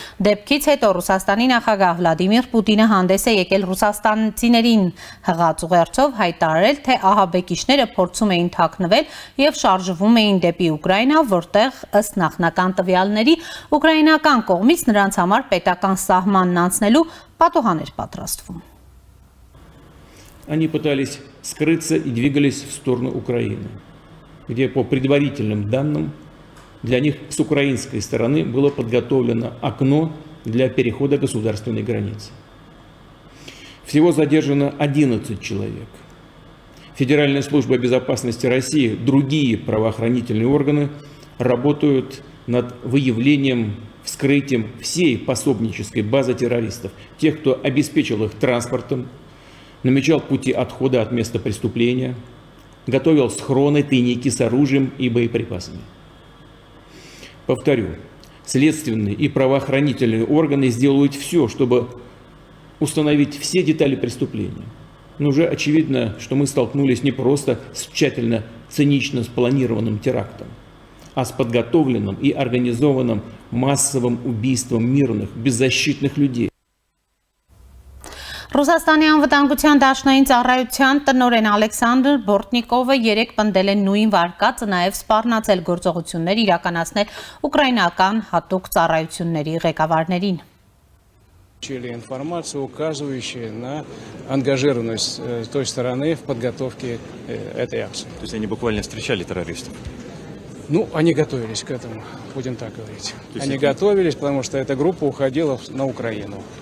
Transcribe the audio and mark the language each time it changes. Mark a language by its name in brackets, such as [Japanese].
[Armenian] Դեպքից հետո Ռուսաստանի նախագահ Վլադիմիր Պուտինը հանդես է եկել ռուսաստանցիներին, հղած ուղերձով հայտարարել, թե ահաբեկիչները փորձում էին թաքնվել և շարժվում էին դեպի Ուկրաինա, որտեղ ըստ նախնական տվյալների ուկրաինական կողմից նրանց համար պետական սահմանն անցնելու պատուհաներ պատրաստվում։ [Russian] Они пытались скрыться и двигались в сторону Украины, где по предварительным данным для них с украинской стороны было подготовлено окно для перехода государственной границы. Всего задержано 11 человек. Федеральная служба безопасности России, другие правоохранительные органы работают над выявлением, вскрытием всей пособнической базы террористов, тех, кто обеспечил их транспортом, намечал пути отхода от места преступления, готовил схроны, тайники с оружием и боеприпасами. Повторю, следственные и правоохранительные органы сделают все, чтобы установить все детали преступления. Но уже очевидно, что мы столкнулись не просто с тщательно, цинично спланированным терактом, а с подготовленным и организованным массовым убийством мирных, беззащитных людей. [Armenian] Ռուսաստանի անվտանգության դաշնային ծառայության տնօրեն Ալեքսանդր Բորտնիկովը երեք պնդել է նույն վարկած նաև սպառնացել գործողություններ իրականացնել ուկրաինական հատուկ ծառայությունների ղեկավարներին։ [Russian] Получили информацию, указывающую на ангажированность той стороны в подготовке этой акции. То есть они буквально встречали террористов? Ну, они готовились к этому, будем так говорить. Они готовились, потому что эта группа уходила на Украину.